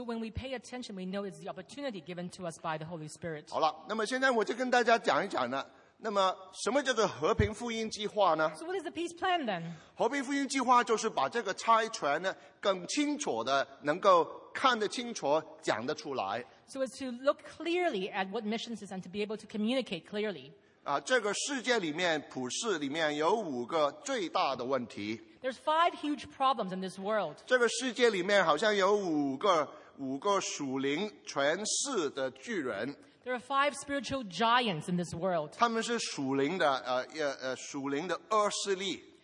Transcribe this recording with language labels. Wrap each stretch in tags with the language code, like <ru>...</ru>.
<en>when we pay attention, we know it's the opportunity given to us by the Holy Spirit.</en> <zh>好了，那么现在我就跟大家讲一讲呢。那么什么叫做和平福音计划呢?</zh> <en>So what is the peace plan then?</en> <zh>和平福音计划就是把这个差传呢更清楚的能够看得清楚讲得出来。</zh> <en>So as to look clearly at what missions is and to be able to communicate clearly.</en> <zh>这个世界里面普世里面有5个最大的问题。</zh> <en>There's 5 huge problems in this world.</en> <zh>这个世界里面好像有5个属灵权势的巨人。</zh> <en>There are 5 spiritual giants in this world.</en> <zh>他们是属灵的恶势力。</zh>